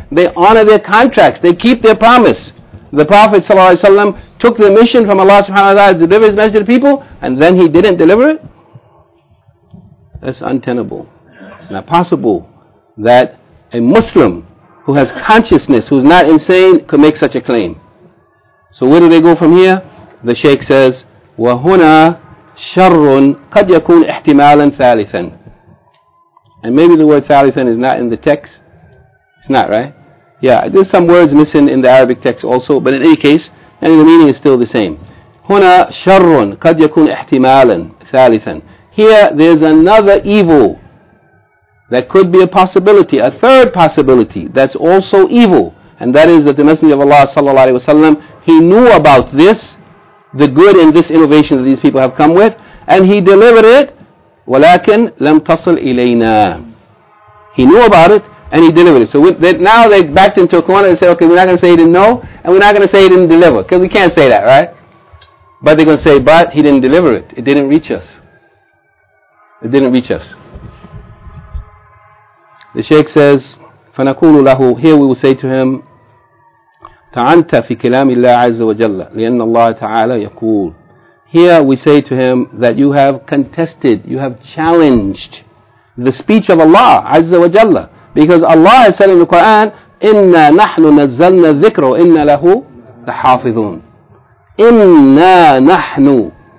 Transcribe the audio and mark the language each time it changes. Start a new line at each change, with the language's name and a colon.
English: They honor their contracts. They keep their promise. The Prophet ﷺ took the mission from Allah subhanahu wa ta'ala to deliver his message to people, and then he didn't deliver it. That's untenable. It's not possible that a Muslim who has consciousness, who's not insane, could make such a claim. So where do they go from here?
Arabic: The Shaykh says, وَهُنَا شَرٌ قَدْ يَكُونَ إِحْتِمَالًا ثَالِثًا.
English: And maybe the word ثَالِثًا is not in the text. It's not, right? Yeah, there's some words missing in the Arabic text also, but in any case, and the meaning is still the same.
Arabic: هُنَا شَرٌ قَدْ يَكُونَ إِحْتِمَالًا ثَالِثًا.
English: Here, there's another evil that could be a possibility, a third possibility that's also evil. And that is that the Messenger of Allah sallallahu alayhi wa sallam, he knew about this, the good in this innovation that these people have come with, and he delivered it, وَلَكِنْ لَمْ تَصِلْ إِلَيْنَا. He knew about it, and he delivered it. So now they backed into a corner and said, okay, we're not going to say he didn't know, and we're not going to say he didn't deliver, because we can't say that, right? But they're going to say, but he didn't deliver it. It didn't reach us. It didn't reach us. The Shaykh says, فَنَكُولُ لَهُ.
Arabic: Here we will say to him, تَعَنْتَ فِي كِلَامِ اللَّهِ عَزَّ وَجَلَّ لِأَنَّ اللَّهَ تَعَالَى يَقُولُ.
English: Here we say to him that you have contested, you have challenged the speech of Allah, Azza wa Jalla. Because Allah has said in the Quran, إِنَّا نَحْنُ نَزَّلْنَا الذِّكْرُ إِنَّا لَهُ لَحَافِظُونَ.
Arabic: إِنَّا نَحْنُ.